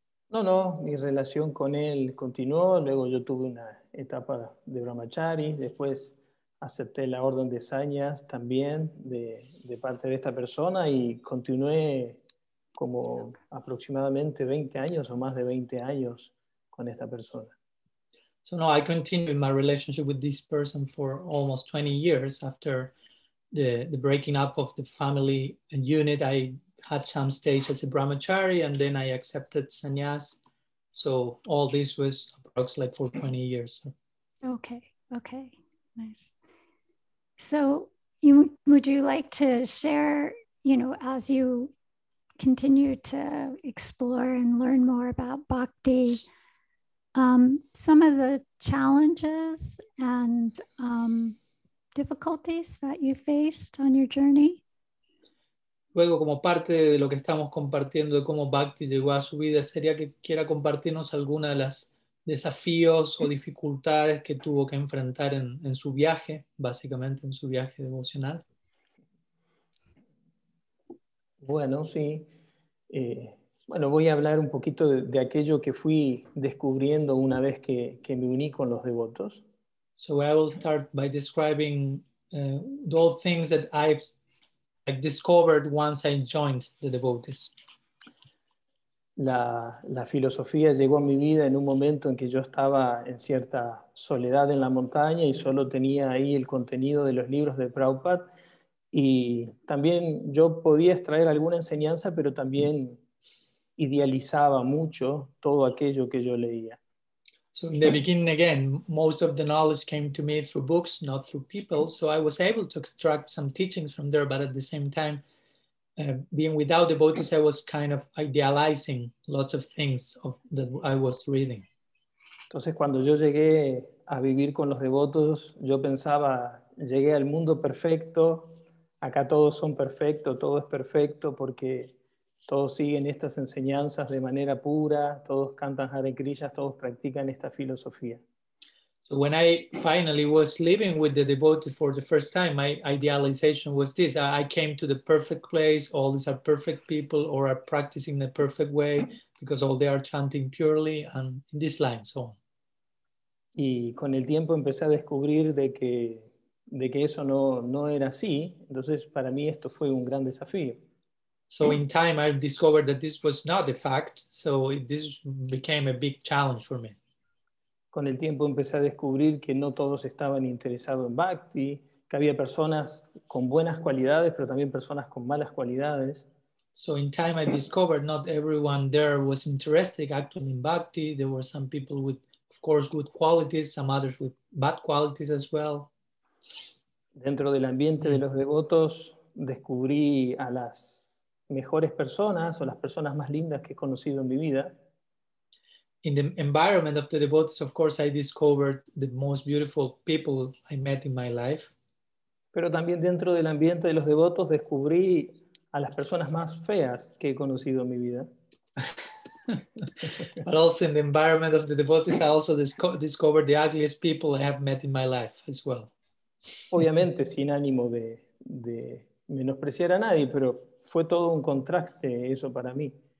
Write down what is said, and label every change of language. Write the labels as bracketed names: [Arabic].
[Spanish] No, mi relación con él continuó, luego yo tuve una etapa de brahmachari, después acepté la orden de sannyas también de parte de esta persona y continué como aproximadamente 20 años o más de 20 años con esta persona. [English] So no, I continued my relationship with this person for almost 20 years after the breaking up of the family unit. I had some stage as a brahmachari and then I accepted sannyas. So all this was approximately like for 20 years. Okay, nice. So would you like to share, you know, as you continue to explore and learn more about bhakti, some of the challenges and difficulties that you faced on your journey? [Spanish] Luego, como parte de lo que estamos compartiendo de cómo Bhakti llegó a su vida, sería que quiera compartirnos alguna de las desafíos o dificultades que tuvo que enfrentar en su viaje, básicamente en su viaje devocional. Bueno, sí. Bueno, voy a hablar un poquito de aquello que fui descubriendo una vez que me uní con los devotos. [English] So I will start by describing those things that I've discovered once I joined the devotees. [Spanish] La filosofía llegó a mi vida en un momento en que yo estaba en cierta soledad en la montaña y solo tenía ahí el contenido de los libros de Prabhupada. Y también yo podía extraer alguna enseñanza, pero también idealizaba mucho todo aquello que yo leía. [English] So in the beginning, again, most of the knowledge came to me through books, not through people. So I was able to extract some teachings from there, but at the same time, being without devotees, I was kind of idealizing lots of things of, that I was reading. [Spanish] Entonces, cuando yo llegué a vivir con los devotos, yo pensaba, llegué al mundo perfecto, acá todos son perfectos, todo es perfecto porque todos siguen estas enseñanzas de manera pura, todos cantan Hare Krishna, todos practican esta filosofía. [English] So when I finally was living with the devotee for the first time, my idealization was this. I came to the perfect place, all these are perfect people or are practicing the perfect way because all they are chanting purely and in this line, so on. [Spanish] Y con el tiempo empecé a descubrir de que eso no era así, entonces para mí esto fue un gran desafío. [English] So in time I discovered that this was not the fact, so this became a big challenge for me. [Spanish] Con el tiempo empecé a descubrir que no todos estaban interesados en bhakti, que había personas con buenas cualidades, pero también personas con malas cualidades. [English] So in time I discovered not everyone there was interested actually in bhakti. There were some people with, of course, good qualities, some others with bad qualities as well. [Spanish] Dentro del ambiente de los devotos descubrí a las mejores personas o las personas más lindas que he conocido en mi vida. [English] In the environment of the devotees, of course, I discovered the most beautiful people I met in my life. [Spanish] Pero también dentro del ambiente de los devotos descubrí a las personas más feas que he conocido en mi vida. [English] But also in the environment of the devotees, I also discovered the ugliest people I have met in my life as well. [Spanish] Obviamente sin ánimo de menospreciar a nadie, pero fue todo un contraste eso para mí.